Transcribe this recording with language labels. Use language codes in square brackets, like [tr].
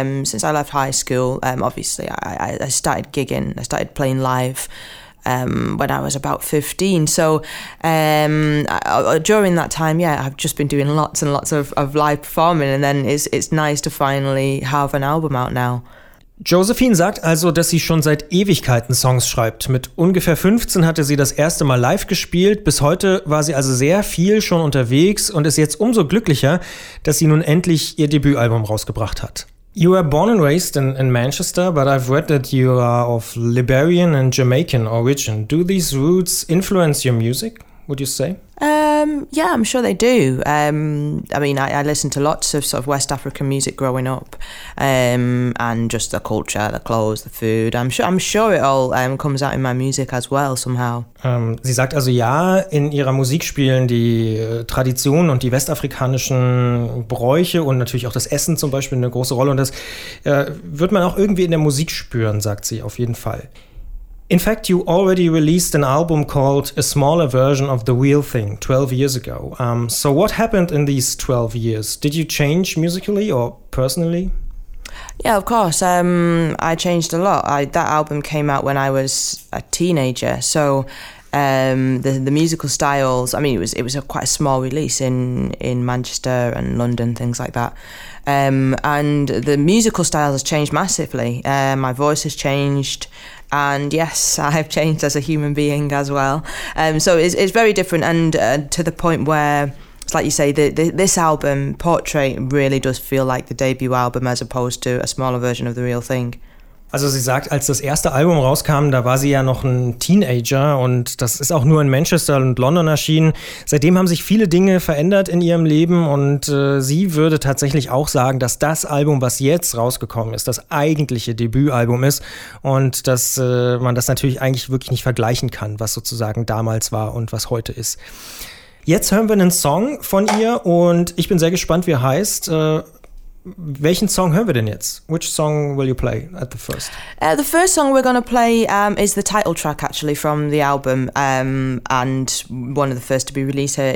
[en] Since I left high school, obviously I started gigging. I started playing live when I was about 15. So during that time, yeah, I've just been doing lots and lots of live performing. And then it's nice to finally have an album out now. [de] Josephine sagt also, dass sie schon seit Ewigkeiten Songs schreibt. Mit ungefähr 15 hatte sie das erste Mal live gespielt. Bis heute war sie also sehr viel schon unterwegs und ist jetzt umso glücklicher, dass sie nun endlich ihr Debütalbum rausgebracht hat. [en] You were born and raised in Manchester, but I've read that you are of Liberian and Jamaican origin. Do these roots influence your music, would you say? Yeah, I'm sure they do. I listened to lots of sort of West African music growing up, and just the culture, the clothes, the food. I'm sure it all comes out in my music as well somehow. [de] Sie sagt also ja, in ihrer Musik spielen die Traditionen und die westafrikanischen Bräuche und natürlich auch das Essen zum Beispiel eine große Rolle. Und das wird man auch irgendwie in der Musik spüren, sagt sie auf jeden Fall. [en] In fact, you already released an album called A Smaller Version of the Real Thing 12 years ago. So what happened in these 12 years? Did you change musically or personally? Yeah, of course. I changed a lot. That album came out when I was a teenager. So the musical styles, I mean, it was a quite a small release in Manchester and London, things like that. And the musical styles has changed massively. My voice has changed. And yes, I have changed as a human being as well. So it's very different, and to the point where, it's like you say, this album, Portrait, really does feel like the debut album as opposed to a smaller version of the real thing. [de] Also sie sagt, als das erste Album rauskam, da war sie ja noch ein Teenager und das ist auch nur in Manchester und London erschienen. Seitdem haben sich viele Dinge verändert in ihrem Leben und sie würde tatsächlich auch sagen, dass das Album, was jetzt rausgekommen ist, das eigentliche Debütalbum ist und dass man das natürlich eigentlich wirklich nicht vergleichen kann, was sozusagen damals war und was heute ist. Jetzt hören wir einen Song von ihr und ich bin sehr gespannt, wie er heißt. Welchen Song hören wir denn jetzt? [en] Which song will you play at the first? The first song we're going to play is the title track, actually, from the album, and one of the first to be released here.